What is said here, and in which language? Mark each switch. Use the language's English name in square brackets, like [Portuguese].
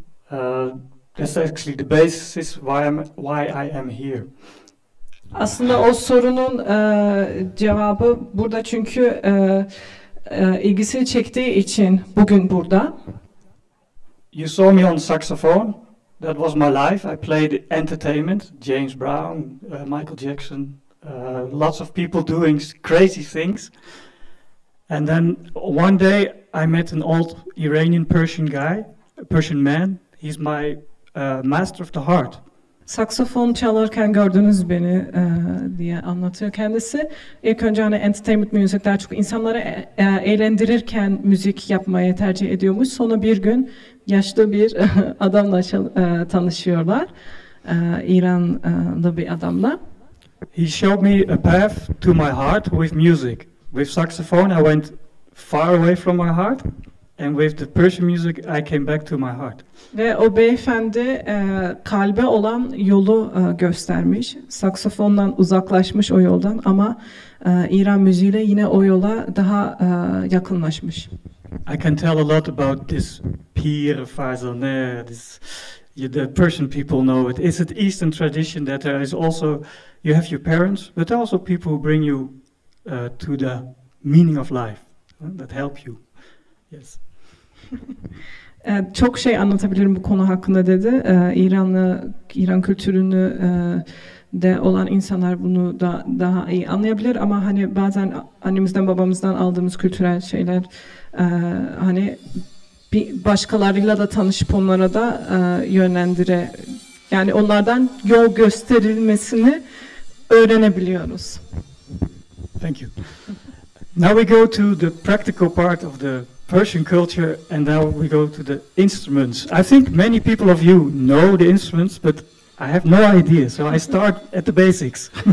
[English] That's actually the basis why I am here. [Turkish] Aslında o sorunun cevabı burada çünkü ilgisini çektiği için bugün burada. [English] You saw me on saxophone. That was my life. I played entertainment, James Brown, Michael Jackson, lots of people doing crazy things. And then one day I met an old Iranian Persian guy, a Persian man. He's my master of the heart. [Turkish] Saksafon çalarken gördünüz beni diye anlatıyor kendisi. İlk önce hani entertainment müzik daha çok insanları eğlendirirken müzik yapmayı tercih ediyormuş. Sonra bir gün yaşlı bir adamla tanışıyorlar. İranlı bir adamla. [English] He showed me a path to my heart with music. With saxophone I went far away from my heart. And with the Persian music I came back to my heart. [Turkish] Ve o beyefendi kalbe olan yolu göstermiş. Saksafondan uzaklaşmış o yoldan ama İran müziğiyle yine o yola daha yakınlaşmış. [English] I can tell a lot about this pir, fazane, this, the Persian people know it. It's an Eastern tradition that there is also, you have your parents, but there are also people who bring you to the meaning of life, that help you. Yes. [Turkish] Çok şey anlatabilirim bu konu hakkında dedi. İranlı, İran kültürünü de olan insanlar bunu da daha iyi anlayabilir ama hani bazen annemizden babamızdan aldığımız kültürel şeyler hani bir başkalarıyla da tanışıp onlara da yönlendire yani onlardan yol gösterilmesini öğrenebiliyoruz. [English] Thank you. Now we go to the practical part of the Persian culture, and now we go to the instruments. I think many people of you know the instruments, but I have no idea, so I start at the basics.